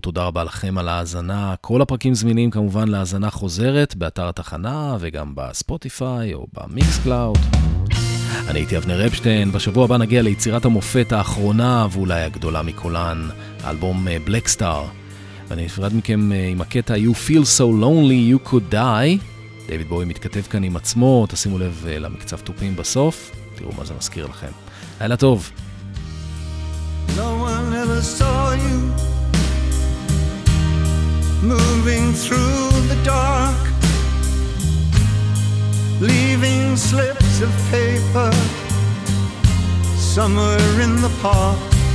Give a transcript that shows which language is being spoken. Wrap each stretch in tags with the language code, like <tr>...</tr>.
<he>תודה רבה לכם על ההזנה. כל הפרקים זמינים כמובן להזנה חוזרת באתר התחנה וגם בספוטיפיי או במיקס קלאוד. אני הייתי אבנר אפשטיין. בשבוע הבא נגיע ליצירת המופת האחרונה ואולי הגדולה מכולן, אלבום בלק סטאר. ואני נפרד מכם עם הקטע You Feel So Lonely You Could Die. דיוויד בואי מתכתב כאן עם עצמו. תשימו לב למקצב תופים בסוף. תראו מה זה מזכיר לכם. לילה טוב.</he> <en>No one ever saw you moving through the dark, leaving slips of paper somewhere in the park,</en>